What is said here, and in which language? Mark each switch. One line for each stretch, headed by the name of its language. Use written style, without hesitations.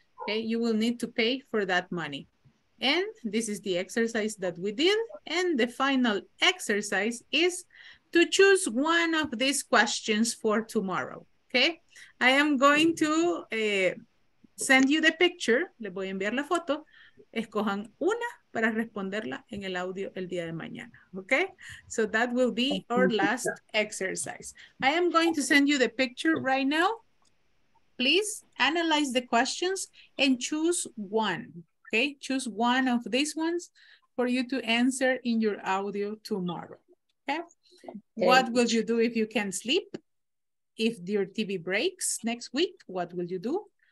English: Okay, you will need to pay for that money. And this is the exercise that we did. And the final exercise is to choose one of these questions for tomorrow, okay? I am going to send you the picture.
Spanish: Le voy a enviar la foto. Escojan una para responderla en el audio el día de mañana, okay?
English: So that will be our last exercise. I am going to send you the picture right now. Please analyze the questions and choose one, okay? Choose one of these ones for you to answer in your audio tomorrow, okay? What will you do if you can't sleep? If your TV breaks next week, what will you do?